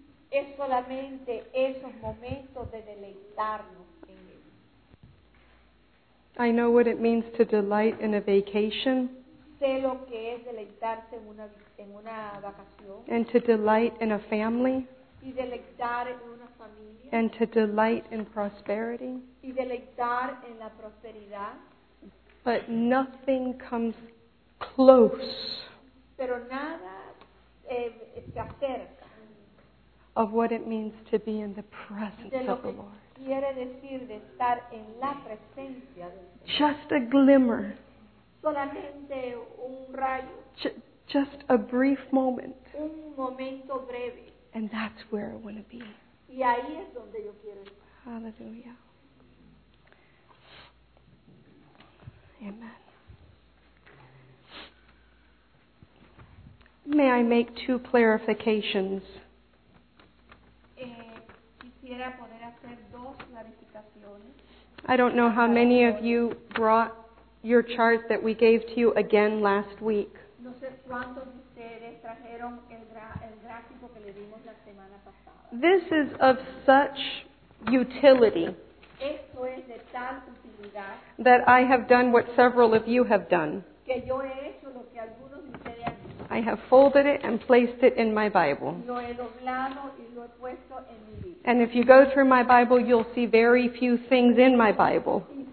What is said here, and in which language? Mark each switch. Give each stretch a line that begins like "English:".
Spanish: Es solamente esos momentos de deleitarnos en él.
English: I know what it means to delight in a vacation.
Spanish: Sé lo que es deleitarse en una vacación.
English: And to delight in a family.
Spanish: Y deleitar en una familia.
English: And to delight in prosperity.
Spanish: Y deleitar en la prosperidad.
English: But nothing comes close.
Spanish: Pero nada se acerca.
English: Of what it means to be in the presence of the Lord.
Spanish: De lo que quiere decir de estar en la presencia del Señor.
English: Just a glimmer.
Spanish: Solamente un rayo.
English: Just a brief moment.
Spanish: Un momento breve.
English: And that's where I want to be.
Spanish: Y ahí es donde yo quiero estar.
English: Hallelujah. Amen. May I make two clarifications?
Spanish: Quisiera poder hacer dos clarificaciones.
English: I don't know how many of you brought your chart that we gave to you again last week.
Spanish: No sé cuántos de ustedes trajeron el gráfico que le dimos la semana pasada.
English: This is of such utility.
Spanish: Esto es de tal utilidad
English: that I have done what several of you have done.
Spanish: Que yo he hecho lo que algunos de ustedes han hecho.
English: I have folded it and placed it in my Bible.
Spanish: Lo he doblado y lo he puesto en mi Biblia.
English: And if you go through my Bible, you'll see very few things in my Bible.